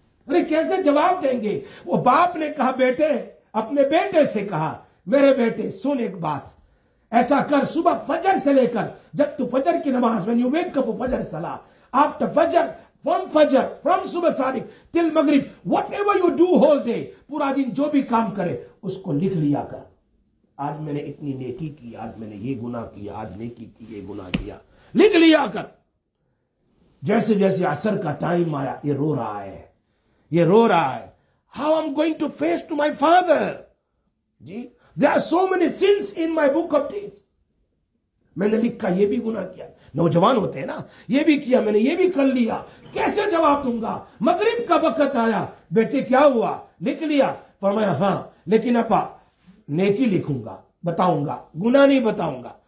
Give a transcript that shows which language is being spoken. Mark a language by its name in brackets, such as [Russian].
[Urdu] ارے کیسے جواب دیں گے؟ وہ باپ نے کہا بیٹے، اپنے بیٹے سے کہا، میرے بیٹے سن ایک بات، ایسا کر صبح فجر سے لے کر جب تو فجر کی نماز، when you wake up فجر صلا، after فجر from صبح صادق till مغرب، whatever you do whole day، پورا دن جو بھی کام کرے اس کو لکھ لیا کر. آج میں نے اتنی نیکی کی، آج میں نے یہ گناہ کیا، آج نیکی کی یہ گناہ کیا، لکھ لیا کر. جیسے جیسے عصر کا ٹائم آیا یہ رو رہا ہے، یہ رو رہا ہے. [English] How I'm going to face to my father. جی there are so many sins in my book of deeds. [Urdu] میں نے لکھا یہ بھی گناہ کیا. نوجوان ہوتے ہیں نا، یہ بھی کیا میں نے، یہ بھی کر لیا، کیسے جواب دوں گا؟ مغرب کا وقت آیا، بیٹے کیا ہوا؟ لکھ لیا. فرمایا ہاں لیکن اپا نیکی لکھوں گا، بتاؤں گا، گناہ نہیں بتاؤں گا.